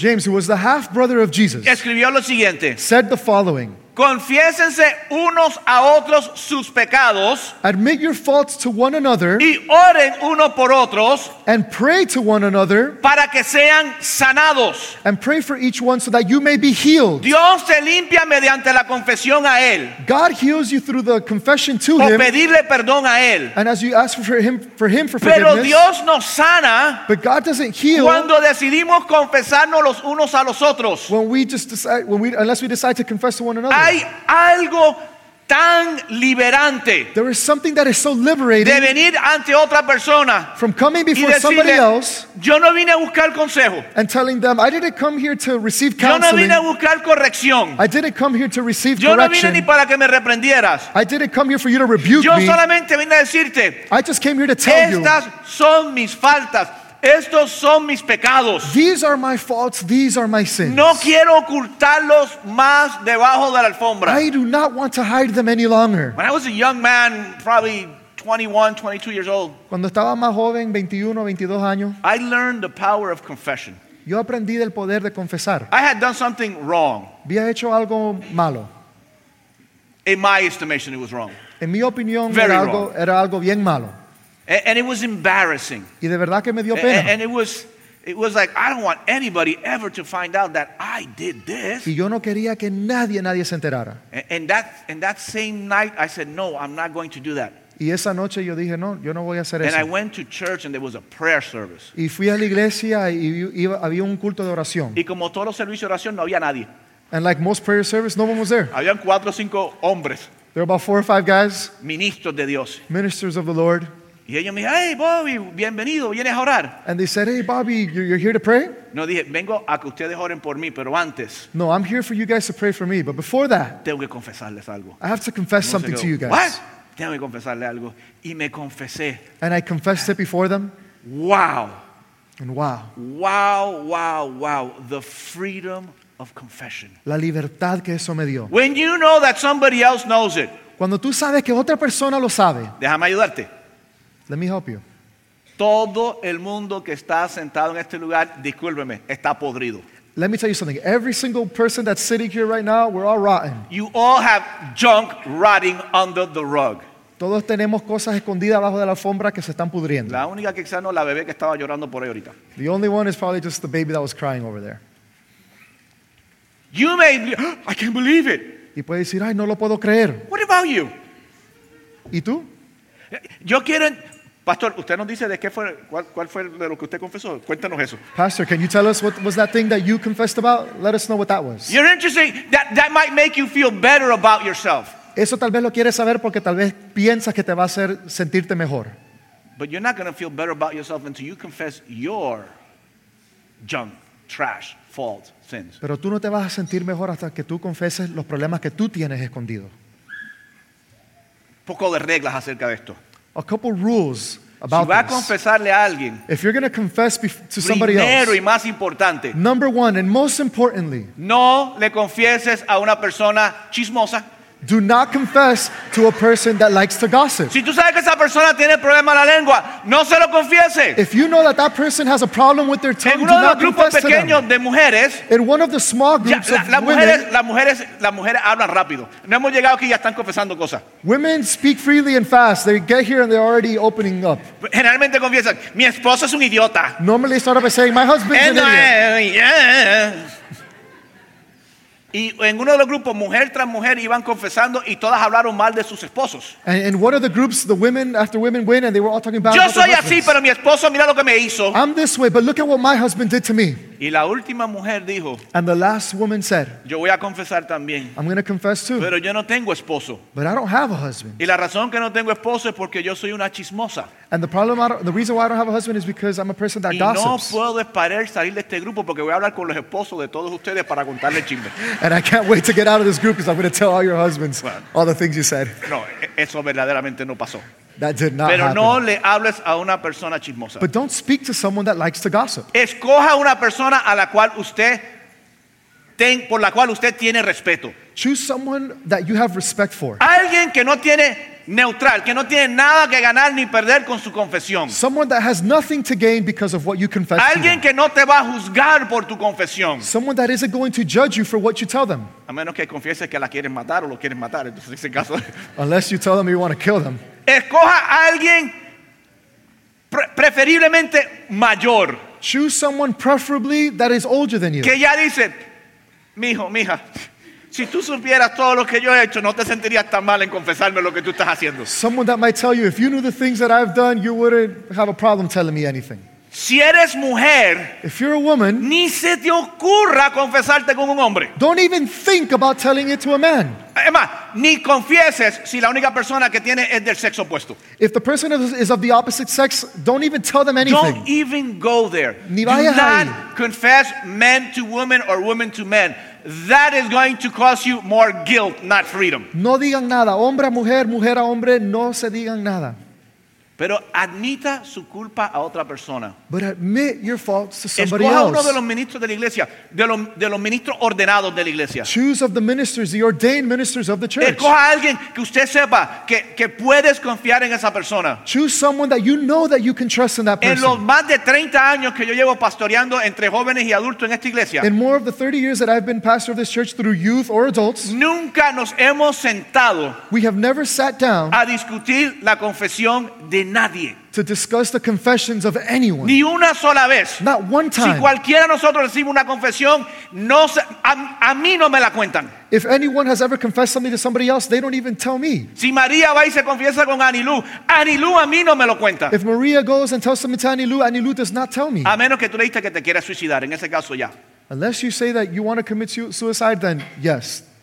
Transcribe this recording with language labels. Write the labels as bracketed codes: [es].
[en] James, who was the half brother of Jesus. [es] Escribió lo siguiente. [en] Said the following. [es] Confiésense unos a otros sus pecados. [en] Admit your faults to one another. [es] Y oren uno por otros. [en] And pray to one another. [es] Para que sean sanados. [en] And pray for each one so that you may be healed. [es] Dios te limpia mediante la confesión a él. [en] God heals you through the confession to [es] o [en] him. [es] O pedirle perdón a él. [en] And as you ask for him for [es] pero [en] forgiveness. [es] Pero Dios nos sana. [en] But God doesn't heal. [es] Cuando decidimos confesarnos los unos a los otros. [en] Unless we decide to confess to one another. [es] Hay algo tan liberante. [en] There is something that is so liberating. [es] De venir ante otra persona. [en] From coming before [es] decirle, [en] somebody else. [es] Yo no vine a buscar consejo. [en] And telling them, I didn't come here to receive counseling. [es] Yo no vine a buscar corrección. [en] I didn't come here to receive [es] yo [en] correction. [es] Yo no vine ni para que me reprendieras. [en] I didn't come here for you to rebuke [es] yo [en] me. [es] Yo solamente vine a decirte. [en] I just came here to tell [es] estas [en] you. [es] Estas son mis faltas. Estos son mis pecados. [en] These are my faults. These are my sins. [es] No quiero ocultarlos más debajo de la alfombra. [en] I do not want to hide them any longer. When I was a young man, probably 21, 22 years old. [es] Cuando estaba más joven, 21, 22 años. [en] I learned the power of confession. [es] Yo aprendí del poder de confesar. [en] I had done something wrong. [es] Había hecho algo malo. [en] In my estimation, it was wrong. [es] En mi opinión, era algo bien malo. [en] And it was embarrassing. [es] Y de verdad que me dio pena. [en] And it was like, I don't want anybody ever to find out that I did this. [es] Y yo no quería que nadie se enterara. [en] And that same night, I said, no, I'm not going to do that. [es] Y esa noche yo dije, no, yo no voy a hacer eso. [en] And I went to church and there was a prayer service. [es] Y fui a la iglesia y había un culto de oración. Y como todos los servicios de oración, no había nadie. [en] And like most prayer services, no one was there. [es] Habían 4 o 5 hombres. [en] There were about 4 or 5 guys. [es] Ministros de Dios. [en] Ministers of the Lord. [es] Y ellos me dijeron, hey Bobby, bienvenido, vienes a orar. [en] And they said, hey Bobby, you're here to pray? [es] No, dije, vengo a que ustedes oren por mí, pero antes. [en] No, I'm here for you guys to pray for me, but before that. [es] Tengo que confesarles algo. [en] I have to confess something to you guys. What? [es] Tengo que confesarle algo. Y me confesé. [en] And I confessed it before them. Wow. And wow. Wow, wow, wow. The freedom of confession. [es] La libertad que eso me dio. [en] When you know that somebody else knows it. [es] Cuando tú sabes que otra persona lo sabe. Déjame ayudarte. [en] Let me help you. [es] Todo el mundo que está sentado en este lugar, discúlpeme, está podrido. [en] Let me tell you something. Every single person that's sitting here right now, we're all rotten. You all have junk rotting under the rug. [es] Todos tenemos cosas escondidas bajo de la alfombra que se están pudriendo. La única que sano, la bebé que estaba llorando por ahí ahorita. [en] The only one is probably just the baby that was crying over there. You may be, oh, I can't believe it. [es] Y puede decir, ay, no lo puedo creer. [en] What about you? [es] ¿Y tú? Yo quiero, pastor, usted nos dice de qué fue, cuál fue de lo que usted confesó. Cuéntanos eso. [en] Pastor, can you tell us what was that thing that you confessed about? Let us know what that was. You're interesting. That might make you feel better about yourself. [es] Eso tal vez lo quieres saber porque tal vez piensas que te va a hacer sentirte mejor. [en] But you're not going to feel better about yourself until you confess your junk, trash, fault, sins. [es] Pero tú no te vas a sentir mejor hasta que tú confieses los problemas que tú tienes escondidos. Poco de reglas acerca de esto. [en] A couple rules about this. [es] Si vas a confesarle a alguien, [en] if you're going to confess to somebody else, [es] primero y más importante, [en] number one and most importantly, [es] no le confieses a una persona chismosa. [en] Do not confess to a person that likes to gossip. [es] Si tú sabes que esa persona tiene problema en la lengua, no se lo confiese. [en] If you know that that person has a problem with their tongue, [es] en uno [en] do not confess [es] pequeño [en] to them. [es] De mujeres, [en] in one of the small groups [es] las mujeres hablan rápido. No hemos llegado aquí y ya están confesando cosas. [en] Women speak freely and fast. They get here and they're already opening up. [es] Generalmente confiesan, mi esposo es un idiota. [en] Normally start up by saying, my husband's an idiot. [es] Y en uno de los grupos, mujer tras mujer iban confesando y todas hablaron mal de sus esposos. [en] And one of the groups, the women after women went and they were all talking bad. [es] Yo soy así, pero mi esposo, mira lo que me hizo. [en] I'm this way, but look at what my husband did to me. [es] Y la última mujer dijo, [en] and the last woman said, [es] yo voy a confesar también. [en] I'm going to confess too. [es] Pero yo no tengo esposo. [en] But I don't have a husband. [es] Y la razón que no tengo esposo es porque yo soy una chismosa. [en] And the reason why I don't have a husband is because I'm a person that gossips. [es] Y no puedo esperar salir de este grupo porque voy a hablar con los esposos de todos ustedes para contarle chisme. [en] And I can't wait to get out of this group because I'm going to tell all your husbands all the things you said. [es] No, eso verdaderamente no pasó. [en] That did not [es] pero [en] happen. [es] No le hables a una persona chismosa. [en] But don't speak to someone that likes to gossip. [es] Escoja una persona a la cual usted por la cual usted tiene respeto. [en] Choose someone that you have respect for. [es] Alguien que no tiene neutral, que no tiene nada que ganar ni perder con su confesión. [en] Someone that has nothing to gain because of what you confess. [es] Alguien [en] to [es] que no te va a juzgar por tu confesión. [en] Someone that isn't going to judge you for what you tell them. [es] A menos que confieses que la quieren matar o lo quieren matar, entonces en ese caso. [en] Unless you tell them you want to kill them. [es] Escoja a alguien preferiblemente mayor. [en] Choose someone preferably that is older than you. [es] Que ya dice, mijo, mija, si tú supieras todo lo que yo he hecho, no te sentirías tan mal en confesarme lo que tú estás haciendo. [en] Someone that might tell you, if you knew the things that I've done, you wouldn't have a problem telling me anything. [es] Si eres mujer, [en] if you're a woman, [es] ni se te ocurra confesarte con un hombre. [en] Don't even think about telling it to a man. [es] Emma, ni confieses si la única persona que tiene es del sexo opuesto. [en] If the person is of the opposite sex, don't even tell them anything. Don't even go there. [es] Ni [en] do not [es] ahí. [en] Confess men to women or women to men. That is going to cost you more guilt, not freedom. [es] No digan nada. Hombre a mujer, mujer a hombre, no se digan nada. Pero admita su culpa a otra persona. [en] But admit your faults to somebody else. [es] Escoja uno de los ministros de la iglesia, de los ministros ordenados de la iglesia. [en] Choose of the ministers, the ordained ministers of the church. [es] Escoja a alguien que usted sepa que puedes confiar en esa persona. [en] Choose someone that you know that you can trust in that person. [es] En los más de 30 años que yo llevo pastoreando entre jóvenes y adultos en esta iglesia. [en] In more of the 30 years that I've been pastor of this church through youth or adults. [es] Nunca nos hemos sentado. [en] We have never sat down. [es] A discutir la confesión de nadie. [en] To discuss the confessions of anyone. [es] Ni una sola vez. [en] Not one time. [es] Si cualquiera de nosotros recibe una confesión, no se, a mí no me la cuentan. [en] If anyone has ever confessed something to somebody else, they don't even tell me. [es] Si María va y se confiesa con Anilú, Anilú a mí no me lo cuenta. [en] If Maria goes and tells something to Anilú, Anilú does not tell me. [es] A menos que tú le digas que te quieras suicidar, en ese caso ya. [en] Unless you say that you want to commit suicide, then yes.